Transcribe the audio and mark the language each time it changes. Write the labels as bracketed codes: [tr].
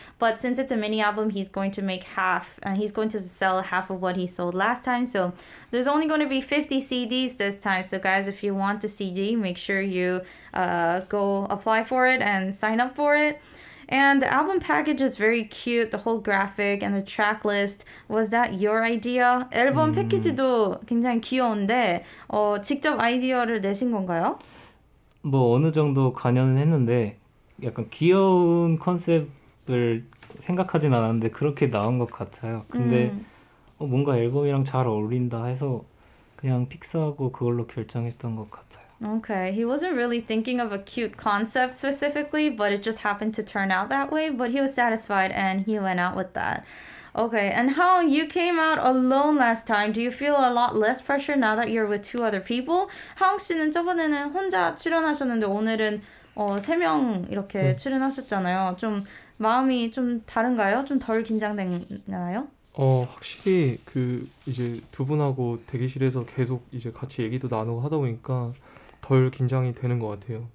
[en] But since it's a mini album he's going to make half and he's going to sell half of what he sold last time. So there's only going to be 50 CDs this time. So guys, if you want the CD, make sure you go apply for it and sign up for it. And the album package is very cute, the whole graphic and the track list. Was that your idea? [ko] 앨범 패키지도 굉장히 귀여운데, 직접 아이디어를 내신 건가요? 뭐 어느 정도 관여는 했는데 약간 귀여운 컨셉을 생각하진 않았는데 그렇게 나온 것 같아요. 근데 뭔가 앨범이랑 잘 어울린다 해서 그냥 픽스하고 그걸로 결정했던 것 같아요. [en] Okay, he wasn't really thinking of a cute concept specifically, but it just happened to turn out that way. But he was satisfied and he went out with that. Okay, and how you came out alone last time, do you feel a lot less pressure now that you're with two other people? [ko] 하웅 씨는 저번에는 혼자 출연하셨는데 오늘은 세명 이렇게 출연하셨잖아요. 좀 마음이 좀 다른가요? 좀덜 긴장되나요? 확실히 이제 두 분하고 대기실에서 계속 이제 같이 얘기도 나누고 하다 보니까 덜 긴장이 되는 것 같아요.